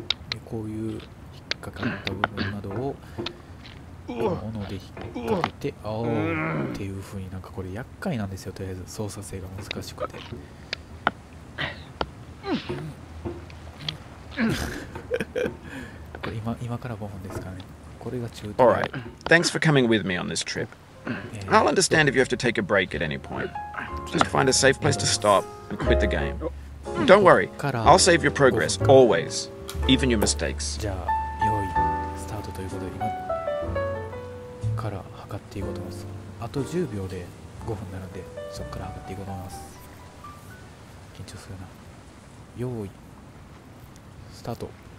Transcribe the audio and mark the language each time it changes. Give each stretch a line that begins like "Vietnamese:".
Japanese: でこういう引っかかった部分などを斧で引っ掛けて、あおっていう風になんかこれ厄介なんですよ。とりあえず操作性が難しくて、これ 今から5分ですかね。これが中
English: 途。All right. Thanks for coming with me on this trip. I'll understand if you have to take a break at any point. Just find a safe place to stop and quit the game. Don't worry. I'll save your progress always. Even your mistakes.
Japanese: じゃあ、用意、スタートということで、今から測っていこうと思います。あと10秒で5分になるんで、そこから測っていこうと思います。緊張するな。用意、スタート。